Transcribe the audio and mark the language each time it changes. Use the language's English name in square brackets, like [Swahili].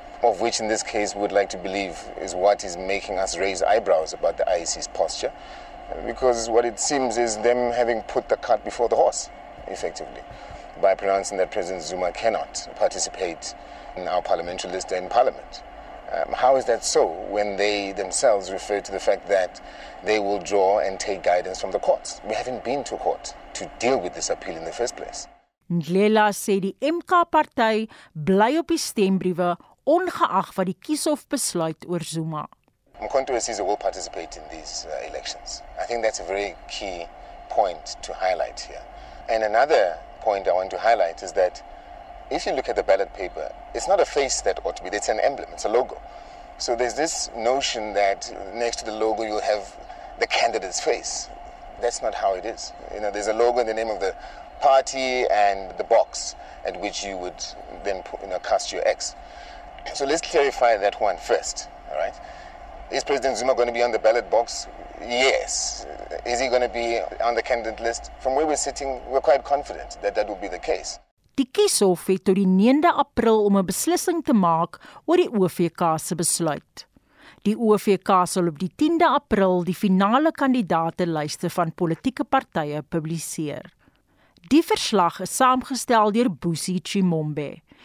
[English] Of which in this case we would like to believe is what is making us raise eyebrows about the IEC's posture, because what it seems is them having put the cart before the horse, effectively, by pronouncing that President Zuma cannot participate in our parliamentary list in parliament. How is that so when they themselves refer to the fact that they will draw and take guidance from the courts? We haven't been to court to deal with this appeal in the first place. [Afrikaans] Ndlela sê die MK party bly op die stembriewe ongeag wat die kieshof besluit oor Zuma. [English] Mkhonto Sizwe will participate in these elections. I think that's a very key point to highlight here. And another point I want to highlight is that if you look at the ballot paper, it's not a face that ought to be, it's an emblem, it's a logo. So there's this notion that next to the logo you'll have the candidate's face. That's not how it is. You know, there's a logo in the name of the party and the box at which you would then put, you know, cast your X. So let's clarify that one first, all right? Is President Zuma going to be on the ballot box? Yes. Is he going to be on the candidate list? From where we're sitting, we're quite confident that that will be the case. [Afrikaans] Die kieshof het tot die 9de April om 'n beslissing te maak oor die OVK se besluit. Die OVK sal op die 10de April die finale kandidatenlyste van politieke partye publiseer. Die verslag is saamgestel deur Busi Chimombe.